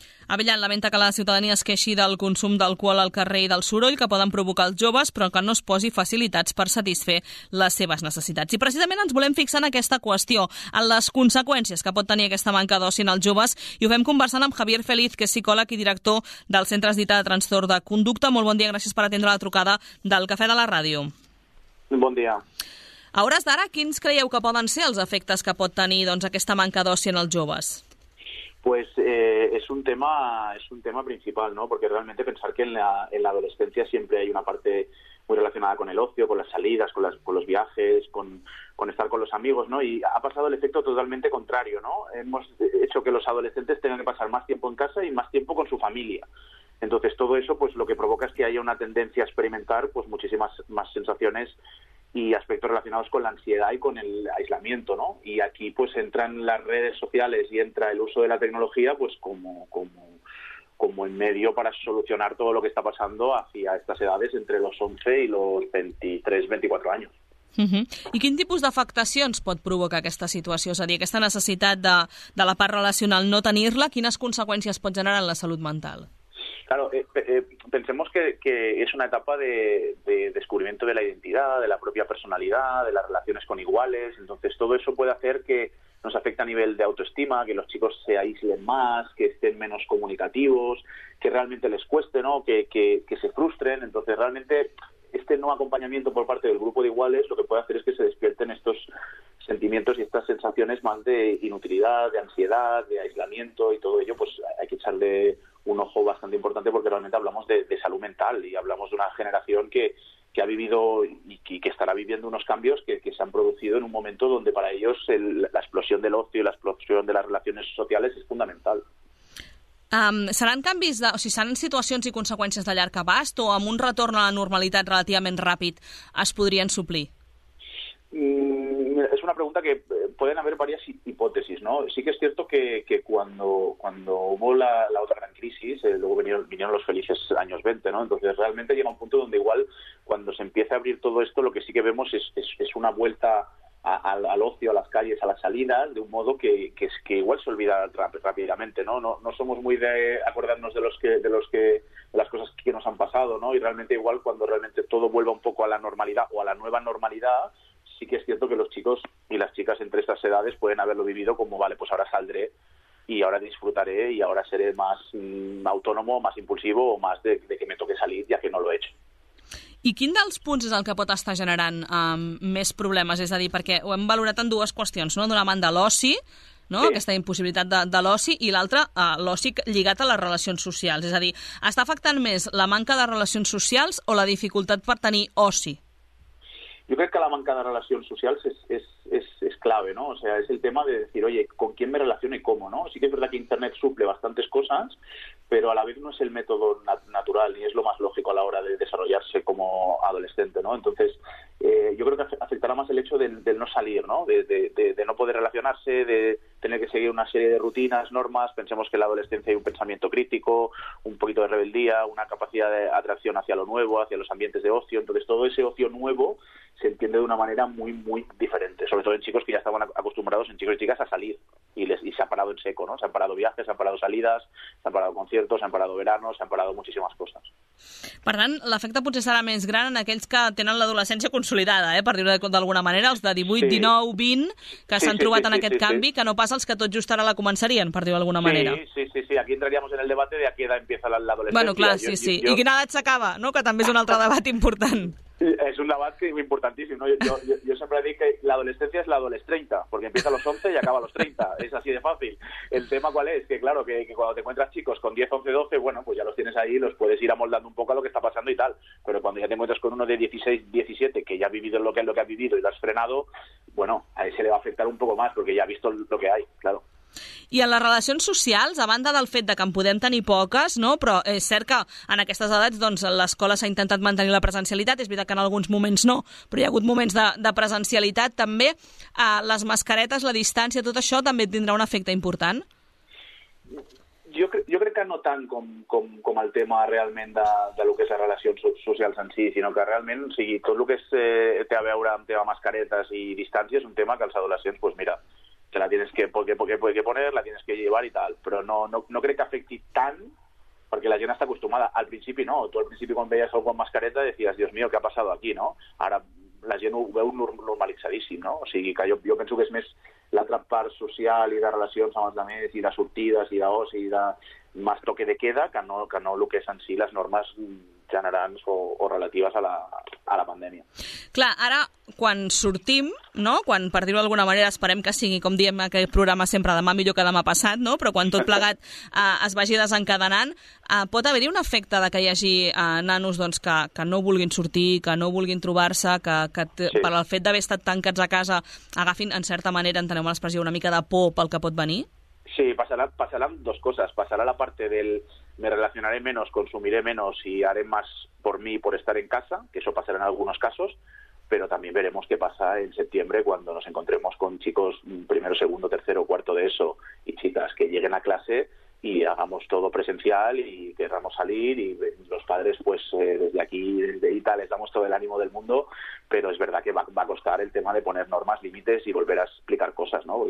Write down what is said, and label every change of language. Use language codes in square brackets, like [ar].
[ca] Avellan lamenta que la ciutadania es queixi del consum d'alcohol al carrer i del soroll que poden provocar els joves, però que no es posi facilitats per satisfer les seves necessitats. I precisament ens volem fixar en aquesta qüestió, en les conseqüències que pot tenir aquesta manca d'oci en els joves, i ho fem conversant amb Javier Feliz, que és psicòleg i director del Centre Esdita de Trastorn de Conducta. Molt bon dia, gràcies per atendre la trucada del Cafè de la Ràdio. Bon dia. A hores d'ara, quins creieu que poden ser els efectes que pot tenir aquesta manca d'oci en els joves? [es] Pues es un tema principal, ¿no? Porque realmente pensar que en la adolescencia siempre hay una parte muy relacionada con el ocio, con las salidas, con los viajes, con estar con los amigos, ¿no? Y ha pasado el efecto totalmente contrario, ¿no? Hemos hecho que los adolescentes tengan que pasar más tiempo en casa y más tiempo con su familia. Entonces todo eso, pues lo que provoca es que haya una tendencia a experimentar pues muchísimas más sensaciones y aspectos relacionados con la ansiedad y con el aislamiento, ¿no? Y aquí pues entran las redes sociales y entra el uso de la tecnología pues como el medio para solucionar todo lo que está pasando hacia estas edades entre los 11 y los 23, 24 años. [ca] I quin tipus d'afectacions pot provocar aquesta situació? És a dir, aquesta necessitat de la part relacional no tenir-la, quines conseqüències pot generar en la salut mental? [es] Claro, pensemos que es una etapa de descubrimiento de la identidad, de la propia personalidad, de las relaciones con iguales. Entonces, todo eso puede hacer que nos afecte a nivel de autoestima, que los chicos se aíslen más, que estén menos comunicativos, que realmente les cueste, ¿no? Que se frustren. Entonces, realmente, este no acompañamiento por parte del grupo de iguales lo que puede hacer es que se despierten estos sentimientos y estas sensaciones más de inutilidad, de ansiedad, de aislamiento y todo ello, pues hay que echarle un ojo bastante importante porque realmente hablamos de salud mental y hablamos de una generación que ha vivido y que estará viviendo unos cambios que se han producido en un momento donde para ellos la explosión del ocio y la explosión de las relaciones sociales es fundamental. [ca] Seran situacions i conseqüències de llarg abast o amb un retorn a la normalitat relativament ràpid es podrien suplir? [es] Es una pregunta que pueden haber varias hipótesis, ¿no? Sí que es cierto que cuando hubo la otra gran crisis, luego vinieron los felices años 20, ¿no? Entonces realmente llega un punto donde igual cuando se empieza a abrir todo esto, lo que sí que vemos es una vuelta al ocio, a las calles, a las salidas, de un modo que igual se olvida rápidamente, ¿no? No somos muy de acordarnos de las cosas que nos han pasado, ¿no? Y realmente igual cuando realmente todo vuelva un poco a la normalidad o a la nueva normalidad, sí que es cierto que los chicos y las chicas entre estas edades pueden haberlo vivido como, vale, pues ahora saldré y ahora disfrutaré y ahora seré más autónomo, más impulsivo o más de que me toque salir, ya que no lo he hecho. [ca] I quin dels punts és el que pot estar generant més problemes? És a dir, perquè ho hem valorat en dues qüestions, no? D'una banda, l'oci, no? Sí. Aquesta impossibilitat de l'oci, i l'altra, l'oci lligat a les relacions socials. És a dir, està afectant més la manca de relacions socials o la dificultat per tenir oci? [es] Yo creo que la manca de relaciones sociales es clave, ¿no? O sea, es el tema de decir, oye, ¿con quién me relaciono y cómo, no? Sí que es verdad que Internet suple bastantes cosas, pero a la vez no es el método natural ni es lo más lógico a la hora de desarrollarse como adolescente, ¿no? Entonces, yo creo que afectará más el hecho del no salir, ¿no? De no poder relacionarse, de tener que seguir una serie de rutinas, normas. Pensemos que en la adolescencia hay un pensamiento crítico, un poquito de rebeldía, una capacidad de atracción hacia lo nuevo, hacia los ambientes de ocio. Entonces, todo ese ocio nuevo se entiende de una manera muy, muy diferente, sobre todo en chicos que ya estaban acostumbrados, en chicos y chicas, a salir y se han parado en seco, ¿no? Se han parado viajes, se han parado salidas, se han parado conciertos, se han parado veranos, se han parado muchísimas cosas. [ca] Per tant, l'efecte potser serà més gran en aquells que tenen l'adolescència consolidada, per dir-ho d'alguna manera, els de 18, sí. 19, 20, que sí, s'han sí, trobat sí, en sí, aquest sí, canvi, sí. Que no pas els que tot just ara la començarien, per dir-ho d'alguna manera. [es] Sí, aquí entraríamos en el debate de a qué edad empieza la adolescencia. [ca] Bueno, clar, sí. I quina edat s'acaba, no? Que també és un altre debat important. Es un debat importantíssim, ¿no? Jo sempre dic que l'adolescència és l'adolescència 30, perquè [es] empieza a los 11 [ca] i acaba [es] a los 30. [ca] És així de fàcil. El tema qual és? [es] Que, claro, que cuando te encuentras chicos con 10, 11, 12, bueno, pues ya los tienes ahí, los puedes ir amoldando un poco a lo que está pasando y tal. Pero cuando ya te encuentras con uno de 16, 17, que ya ha vivido lo que ha vivido y lo has frenado, bueno, a ese le va a afectar un poco más, porque ya ha visto lo que hay, claro. [ca] I en les relacions socials, a banda del fet de que en podem tenir poques, no? Però és cert que en aquestes edats doncs, l'escola s'ha intentat mantenir la presencialitat, és veritat que en alguns moments no, però hi ha hagut moments de presencialitat també. Les mascaretes, la distància, tot això també tindrà un efecte important? Jo crec que no tant com el tema realment de lo que és les relacions socials en si, sinó que realment, o sigui, tot el que té a veure amb tema mascaretes i distància és un tema que els adolescents, [es] pues mira, te la tienes que poner, la tienes que llevar y tal, pero no creo que afecte tan, porque la gente está acostumbrada. Al principio no, tú al principio cuando veías algo con mascareta decías, Dios mío, ¿qué ha pasado aquí, no? Ahora la gente [ca] ho veu normalitzadíssim, no? O sigui, que jo penso que és més l'altra part social i de relacions amb els altres, i de sortides, i d'os, i de [es] más toque de queda, [ca] que no el que és en si les normes generants o relatives a la pandèmia. Clar, ara, quan sortim, no? Quan, per dir-ho d'alguna manera, esperem que sigui, com diem, aquest programa sempre demà millor que demà passat, no? Però quan tot plegat es vagi desencadenant, pot haver-hi un efecte de que hi hagi nanos doncs, que no vulguin sortir, que no vulguin trobar-se, que sí. Per el fet d'haver estat tancats a casa, agafin, en certa manera, enteneu l'expressió, una mica de por pel que pot venir? Sí, passaran dos coses. Passarà la part del [es] me relacionaré menos, consumiré menos y haré más por mí por estar en casa, que eso pasará en algunos casos, pero también veremos qué pasa en septiembre cuando nos encontremos con chicos primero, segundo, tercero, cuarto de ESO y chicas que lleguen a clase y hagamos todo presencial y querramos salir y los padres pues desde aquí, desde ITA, les damos todo el ánimo del mundo, pero es verdad que va a costar el tema de poner normas, límites y volver a explicar cosas, ¿no?